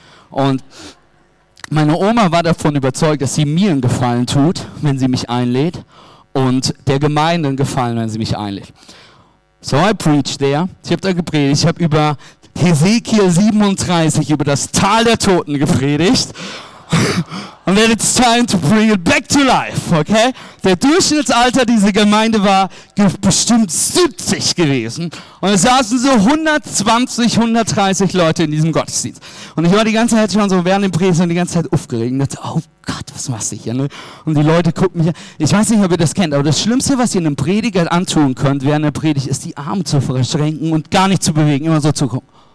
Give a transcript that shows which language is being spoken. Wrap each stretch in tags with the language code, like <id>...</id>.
<de>Und meine Oma war davon überzeugt, dass sie mir einen Gefallen tut, wenn sie mich einlädt. Und der Gemeinde einen Gefallen, wenn sie mich einlädt.</de> <en>So, I preached there.</en> <de>Ich habe da gepredigt. Ich habe über Hesekiel 37, über das Tal der Toten gepredigt.</de> <en>And then it's time to bring it back to life, okay?</en> <de>Der Durchschnittsalter dieser Gemeinde war bestimmt 70 gewesen. Und es saßen so 120, 130 Leute in diesem Gottesdienst. Und ich war die ganze Zeit schon so während dem Predigen die ganze Zeit aufgeregt. Und dachte, oh Gott, was machst du hier? Ne? Und die Leute gucken mich an. Ich weiß nicht, ob ihr das kennt, aber das Schlimmste, was ihr einem Prediger antun könnt während der Predigt, ist die Arme zu verschränken und gar nicht zu bewegen, immer so zu gucken.</de>